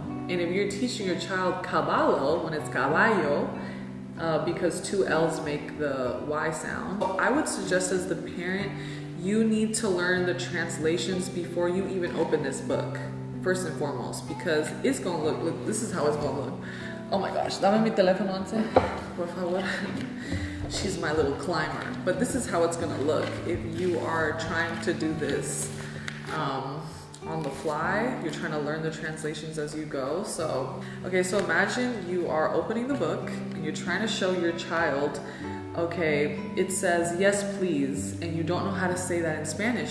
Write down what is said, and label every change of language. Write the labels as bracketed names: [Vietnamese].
[English] And if you're teaching your child caballo when it's caballo, because two L's make the Y sound, I would suggest as the parent, you need to learn the translations before you even open this book, first and foremost, because it's gonna look, look this is how it's gonna look. [Spanish] Oh my gosh, dame mi teléfono antes, por favor. [English] She's my little climber. But this is how it's gonna look if you are trying to do this on the fly. You're trying to learn the translations as you go. So, okay, so imagine you are opening the book and you're trying to show your child, okay, it says, yes, please, and you don't know how to say that in Spanish.